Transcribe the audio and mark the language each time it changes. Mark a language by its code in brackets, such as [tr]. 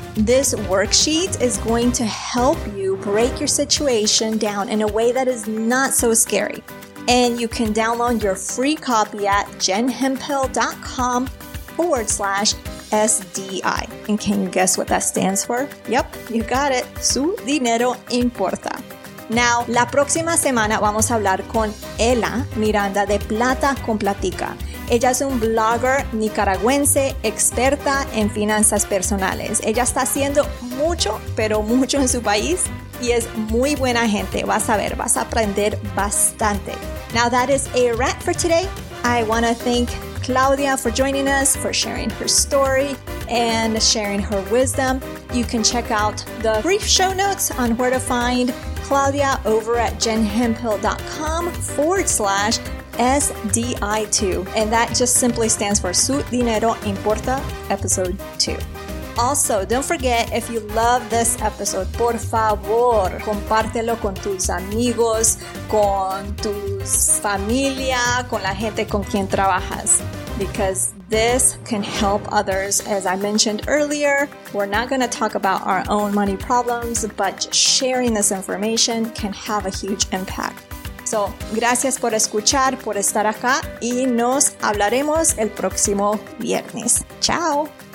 [en] This worksheet is going to help you break your situation down in a way that is not so scary. And you can download your free copy at jenhempel.com/SDI. And can you guess what that stands for? Yep, you got it. Su dinero importa. [es] Now, la próxima semana vamos a hablar con Ella Miranda de Plata con Platica. Ella es un blogger nicaragüense experta en finanzas personales. Ella está haciendo mucho, pero mucho en su país y es muy buena gente. Vas a ver, vas a aprender bastante. [en] Now, that is a wrap for today. I want to thank Claudia for joining us, for sharing her story and sharing her wisdom. You can check out the brief show notes on where to find Claudia over at jenhempel.com/SDI2. And that just simply stands for Su Dinero Importa, episode 2. Also, don't forget, if you love this episode, [es] por favor, compártelo con tus amigos, con tu familia, con la gente con quien trabajas. [en] Because this can help others. As I mentioned earlier, we're not going to talk about our own money problems, but just sharing this information can have a huge impact. [es] So, gracias por escuchar, por estar acá, y nos hablaremos el próximo viernes. Chao!